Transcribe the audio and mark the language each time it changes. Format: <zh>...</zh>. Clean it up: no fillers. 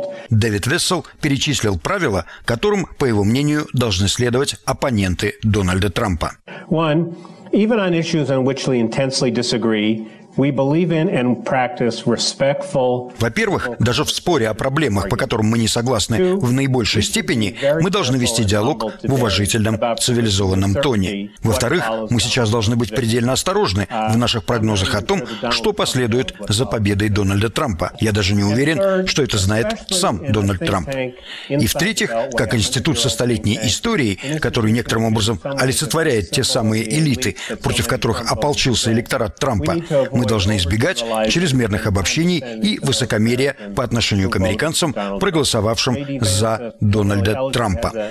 <ru>Дэвид Вессел перечислил правила, которым, по его мнению, должны следовать оппоненты Дональда Трампа.</ru> <en>One, even on issues on which we intensely disagree, we believe in and practice respectful.</en> <ru>Во-первых, даже в споре о проблемах, по которым мы не согласны в наибольшей степени, мы должны вести диалог в уважительном, цивилизованном тоне. Во-вторых, мы сейчас должны быть предельно осторожны в наших прогнозах о том, что последует за победой Дональда Трампа. Я даже не уверен, что это знает сам Дональд Трамп. И в-третьих, как институт со столетней историей, который некоторым образом олицетворяет те самые элиты, против которых ополчился электорат Трампа, мы должны избегать чрезмерных обобщений и высокомерия по отношению к американцам, проголосовавшим за Дональда Трампа.</ru>